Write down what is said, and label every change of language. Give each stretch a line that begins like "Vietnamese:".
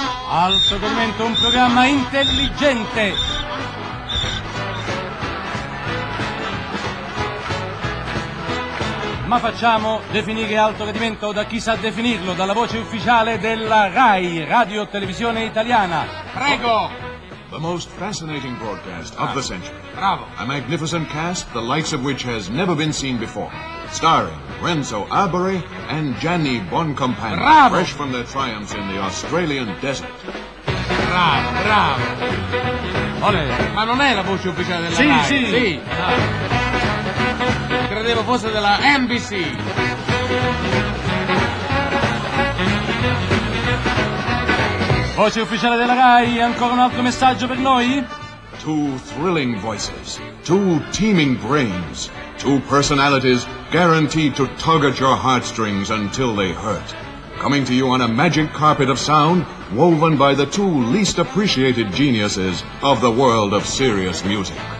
Italian: Alto commento, un programma intelligente. Ma facciamo definire alto gradimento da chi sa definirlo, dalla voce ufficiale della RAI, Radio Televisione Italiana. Prego!
English: The most fascinating broadcast of the century.
Italian: Bravo!
English: A magnificent cast, the likes of which has never been seen before. Starring Renzo Arbore and Gianni Boncompagni.
Italian: Bravo!
English: Fresh from their triumphs in the Australian desert.
Italian: Bravo, bravo. Olè. Ma non è la voce ufficiale della RAI? Sì, sì. Credevo fosse della NBC. Voce ufficiale della RAI, ancora un altro messaggio per noi?
English: Two thrilling voices, two teeming brains, two personalities guaranteed to tug at your heartstrings until they hurt. Coming to you on a magic carpet of sound woven by the two least appreciated geniuses of the world of serious music.